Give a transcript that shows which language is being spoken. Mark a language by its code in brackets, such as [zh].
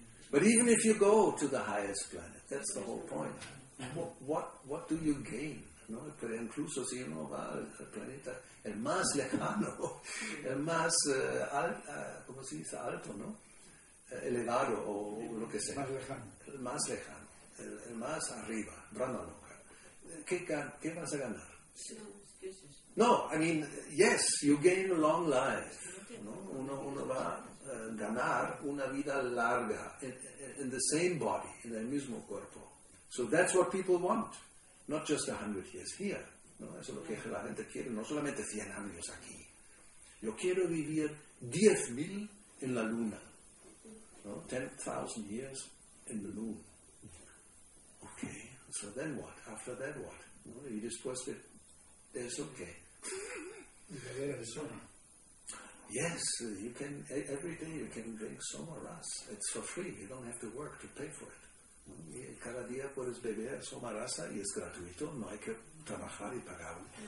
[en] But even if you go to the highest planet, that's the whole point. What do you gain? [es] No, pero incluso si uno va al planeta el más lejano, el más ¿cómo se dice? Alto, ¿no? Elevado o lo que sea. El más lejano, el más arriba, Brahmaloka. ¿Qué vas a ganar? [en] No, I mean, yes, you gain a long life. [es] No? Uno va ganar una vida larga [en] in the same body, [es] in el mismo cuerpo. [en] So that's what people want. Not just 100 years here. [es] No, eso es lo que la gente quiere. No solamente 100 años aquí. Yo quiero vivir 10.000 en la luna. No? [en] 10,000 years in the moon. Okay, so then what? After that what? No? [es] Y después de eso, ¿qué? De ver el soma. [en] Yes, you can, every day you can drink soma ras. It's for free, you don't have to work to pay for it. [es] Cada día puedes beber soma rasa y es gratuito, no hay que trabajar y pagarlo.